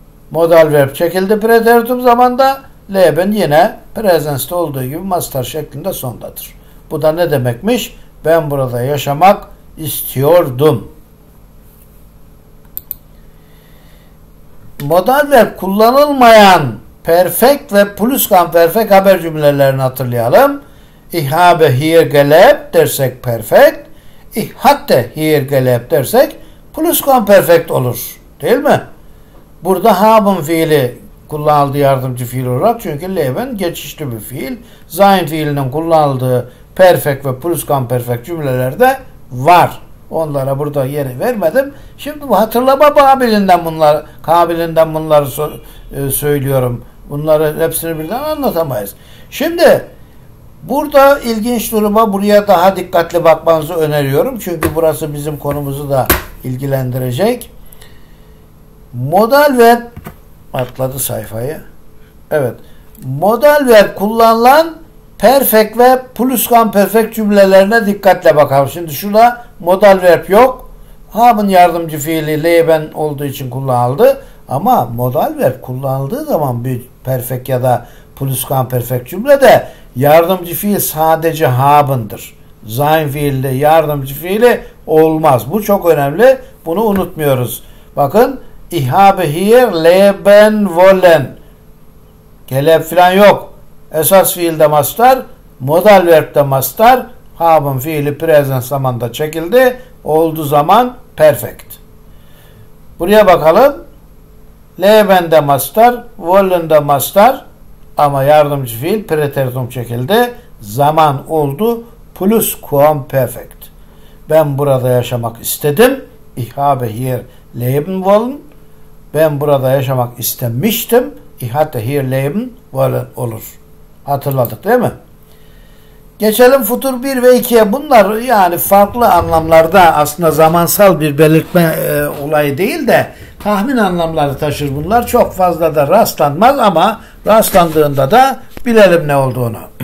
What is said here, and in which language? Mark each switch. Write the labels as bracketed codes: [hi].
[tr] Modal verb çekildi preteritum zamanda. Leben yine presens'te olduğu gibi mastar şeklinde sondadır. Bu da ne demekmiş? Ben burada yaşamak istiyordum. Modal verb kullanılmayan perfekt ve pluskvamperfekt haber cümlelerini hatırlayalım. [de] Ich habe hier gelebt [tr] dersek perfekt. [de] Ich hatte hier gelebt [tr] dersek pluskvamperfekt olur. Değil mi? Burada haben fiili kullanıldı yardımcı fiil olarak. Çünkü leben geçişli bir fiil. Sein fiilinin kullanıldığı perfekt ve pluskvamperfekt cümlelerde var. Onlara burada yeri vermedim. Şimdi bu hatırlama kabiliğinden bunları söylüyorum. Bunları hepsini birden anlatamayız. Şimdi burada ilginç duruma buraya daha dikkatli bakmanızı öneriyorum. Çünkü burası bizim konumuzu da ilgilendirecek. Modal verb atladı sayfayı. Evet. Modal verb kullanılan perfekt ve pluskvamperfekt cümlelerine dikkatle bakalım. Şimdi şurada modal verb yok. Haben yardımcı fiili leben olduğu için kullanıldı. Ama modal verb kullanıldığı zaman bir perfekt ya da pluskvamperfekt cümlede yardımcı fiil sadece haben'dır. Sein fiili yardımcı fiili olmaz. Bu çok önemli. Bunu unutmuyoruz. Bakın. [de] Ich habe hier leben wollen. [tr] Gelep filan yok. Esas fiilde mastar, modal verbte mastar, haben fiili present zamanda çekildi, olduğu zaman perfect. Buraya bakalım. Leben de mastar, wollen de mastar ama yardımcı fiil preteritum çekildi. Zaman oldu pluskvamperfekt. Ben burada yaşamak istedim. [de] Ich habe hier leben wollen. [tr] Ben burada yaşamak istemiştim. [de] Ich hatte hier leben wollen [tr] olur. Hatırladık değil mi? Geçelim futur 1 ve 2'ye. Bunlar yani farklı anlamlarda aslında zamansal bir belirtme olayı değil de tahmin anlamları taşır bunlar. Çok fazla da rastlanmaz ama rastlandığında da bilelim ne olduğunu.